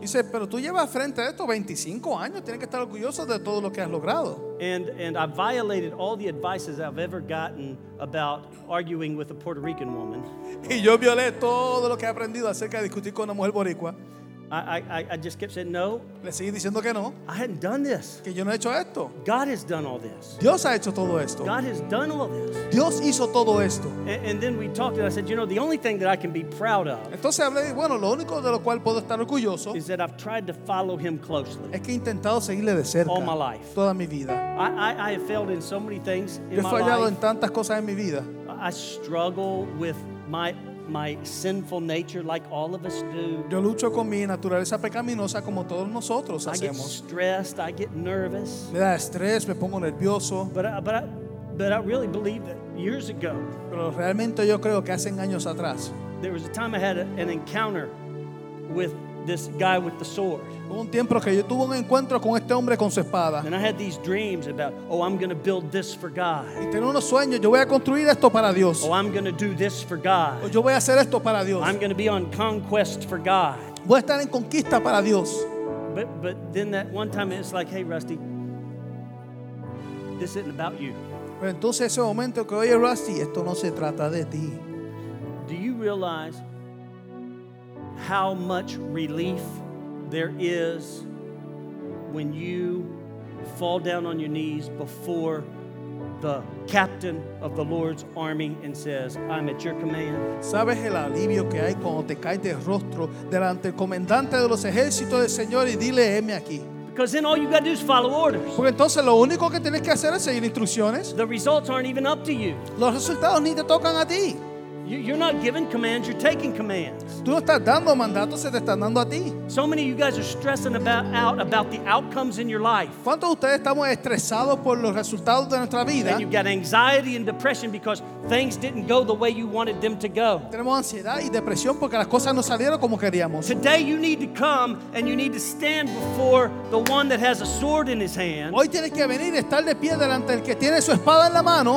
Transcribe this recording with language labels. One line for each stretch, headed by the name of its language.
Spanish: Dice, pero tú llevas frente a esto 25 años. Tienes que estar orgulloso de todo lo que has logrado.
English: And I violated all the advices I've ever gotten about arguing with a Puerto Rican woman.
Spanish: Y yo violé todo lo que he aprendido acerca de discutir con una mujer boricua.
English: I just kept saying no.
Spanish: Le seguí diciendo que no.
English: I hadn't done this.
Spanish: Que yo no he hecho esto.
English: God has done all this.
Spanish: Dios ha hecho todo esto.
English: God has done all this.
Spanish: Dios hizo todo esto.
English: And then we talked, and I said, you know, the only thing that I can be proud of.
Spanish: Entonces hablé, bueno, lo único de lo cual puedo estar orgulloso
English: is that I've tried to follow Him closely.
Spanish: Es que he intentado seguirle de cerca.
English: All my life.
Spanish: Toda mi vida.
English: I have failed in so many things in my life.
Spanish: Yo he fallado en tantas cosas en mi vida.
English: I struggle with my sinful nature, like all of us do.
Spanish: Yo lucho con mi naturaleza pecaminosa como todos nosotros hacemos.
English: I get stressed, I get nervous.
Spanish: Me da estrés, me pongo nervioso.
English: But I really believe that years ago.
Spanish: Pero realmente yo creo que hace años atrás.
English: There was a time I had an encounter with this guy with the sword.
Spanish: Hubo un tiempo que yo tuve un encuentro con este hombre con su espada.
English: And I had these dreams about, oh, I'm going to build this for God.
Spanish: Y tenía unos sueños, yo voy a construir esto para Dios.
English: Oh, I'm going to do this for God.
Spanish: O yo voy a hacer esto para Dios.
English: I'm going to be on conquest for God.
Spanish: Voy a estar en conquista para Dios.
English: But then that one time it's like, hey, Rusty, this isn't about you.
Spanish: Pero entonces ese momento que, oye, Rusty, esto no se trata de ti.
English: Do you realize how much relief there is when you fall down on your knees before the captain of the Lord's army and says, I'm at your command?
Spanish: ¿Sabes el alivio que hay cuando te caes de rostro delante del comandante de los ejércitos del Señor y dile, heme aquí?
English: Because then all you got to do is follow orders.
Spanish: Porque entonces lo único que tienes que hacer es seguir instrucciones.
English: The results aren't even up to you.
Spanish: Los resultados ni te tocan a ti.
English: You're not giving commands, you're taking commands.
Spanish: Tú no estás dando mandatos, se te están dando a ti.
English: So many of you guys are stressing out about the outcomes in your life.
Spanish: ¿Cuántos de ustedes estamos estresados por los resultados de nuestra vida?
English: And you've got anxiety and depression because things didn't go the way you wanted them to go.
Spanish: Tenemos ansiedad y depresión porque las cosas no salieron como queríamos.
English: Today you need to come and you need to stand before the one that has a sword in his hand.
Spanish: Hoy tienes que venir y estar de pie delante del que tiene su espada en la mano.